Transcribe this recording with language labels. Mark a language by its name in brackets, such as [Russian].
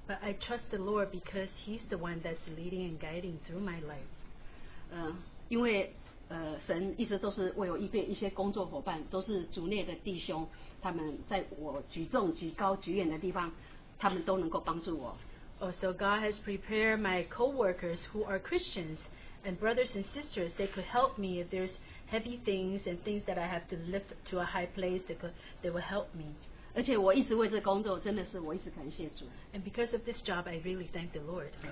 [English] But I trust the Lord because He's the one that's leading and guiding through my life. [Chinese] 因为神一直都是为我预备一些工作伙伴,都是主内的弟兄,他们在我举重举高举远的地方,他们都能够帮助我。 [English] Also, God has prepared my co-workers who are Christians and brothers and sisters. They could help me if there's heavy things and things that I have to lift to a high place, they will help me. [Chinese] 而且我一直为这工作,真的是我一直感谢主。 [English] And because of this job, I really thank the Lord.